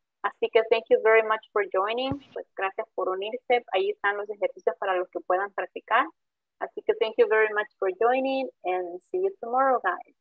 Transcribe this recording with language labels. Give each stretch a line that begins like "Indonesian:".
English: Así que thank you very much for joining.
Spanish: Pues gracias por unirse. Ahí están los ejercicios para los que puedan practicar.
English: Así que thank you very much for joining and see you tomorrow, guys.